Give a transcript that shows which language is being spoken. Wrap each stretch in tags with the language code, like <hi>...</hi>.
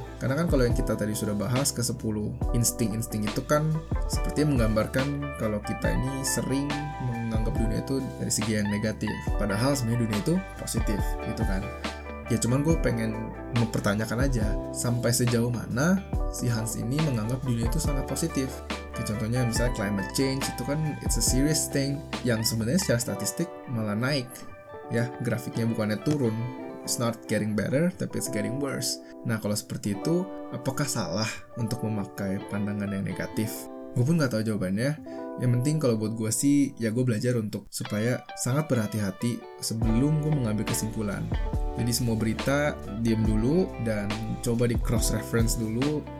<id>Karena kan kalau yang kita tadi sudah bahas ke 10 insting-insting itu kan seperti menggambarkan kalau kita ini sering menganggap dunia itu dari segi yang negatif, padahal sebenarnya dunia itu positif gitu kan. Ya cuman gue pengen mempertanyakan aja, sampai sejauh mana si Hans ini menganggap dunia itu sangat positif. Kayak contohnya misalnya climate change itu kan</id> <en>it's a serious thing</en> <id>yang sebenarnya secara statistik malah naik. Ya, grafiknya bukannya turun.</id> <en>It's not getting better,</en> <id>tapi</id> <en>it's getting worse.</en> <id>Nah, kalau seperti itu, apakah salah untuk memakai pandangan yang negatif? Gue pun gak tahu jawabannya. Yang penting kalau buat gue sih, ya gue belajar untuk supaya sangat berhati-hati sebelum gue mengambil kesimpulan. Jadi semua berita, diem dulu dan coba di cross-reference dulu.</id>